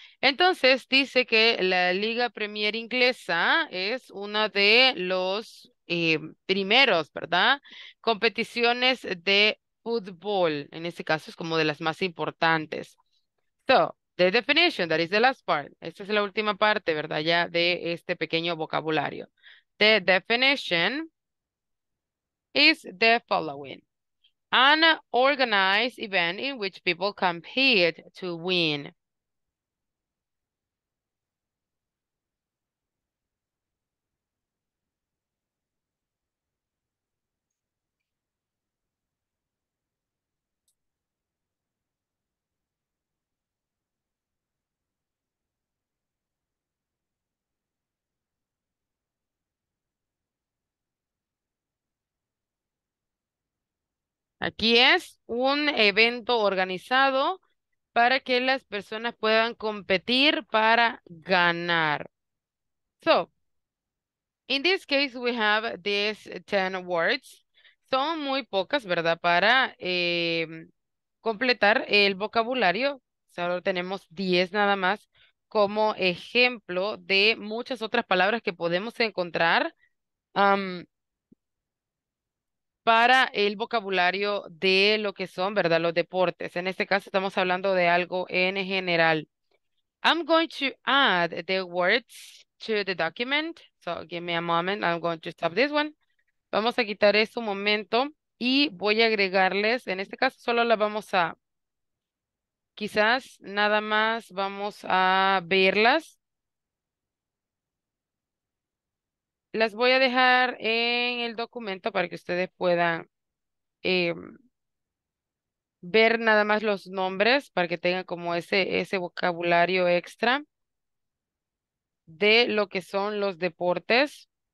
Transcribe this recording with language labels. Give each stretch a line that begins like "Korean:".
Spanish: Entonces, dice que la Liga Premier Inglesa es una de los primeros, ¿verdad? Competiciones de fútbol. En este caso, es como de las más importantes.
English: So, the definition, that is the last part.
Spanish: Esta es la última parte, ¿verdad? Ya de este pequeño vocabulario.
English: The definition is the following. An organized event in which people compete to win.
Spanish: Aquí es un evento organizado para que las personas puedan competir para ganar.
English: So, in this case, we have these 10 words.
Spanish: Son muy pocas, ¿verdad? Para completar el vocabulario. Solo tenemos 10 nada más como ejemplo de muchas otras palabras que podemos encontrar. Para el vocabulario de lo que son, ¿verdad? Los deportes. En este caso estamos hablando de algo en general.
English: I'm going to add the words to the document. So give me a moment. I'm going to stop this one.
Spanish: Vamos a quitar eso un momento y voy a agregarles. En este caso solo la vamos a, quizás nada más vamos a verlas. Las voy a dejar en el documento para que ustedes puedan ver nada más los nombres para que tengan como ese vocabulario extra de lo que son los deportes.